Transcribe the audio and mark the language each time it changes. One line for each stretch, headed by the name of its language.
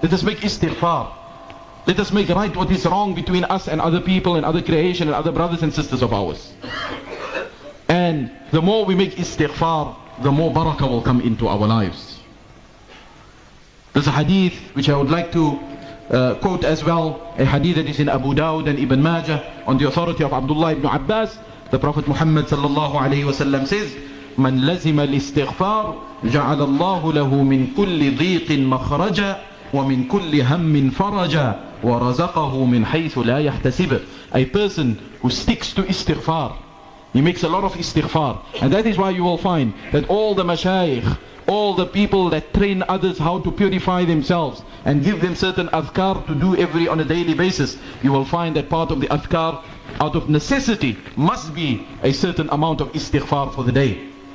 English: Let us make istighfar. Let us make right what is wrong between us and other people and other creation and other brothers and sisters of ours. And the more we make istighfar, the more barakah will come into our lives. There's a hadith which I would like to quote as well. A hadith that is in Abu Dawud and Ibn Majah on the authority of Abdullah ibn Abbas. The Prophet Muhammad sallallahu alayhi wa sallam says,
Arabic: من لزم الاستغفار جعل الله له من كل ضيق مخرجا ومن كل هم فرجا ورزقه من حيث لا يحتسب.
English: A person who sticks to istighfar, he makes a lot of istighfar, and that is why you will find that all the mashayikh, all the people that train others how to purify themselves and give them certain adhkar to do every on a daily basis, you will find that part of the adhkar out of necessity must be a certain amount of istighfar for the day.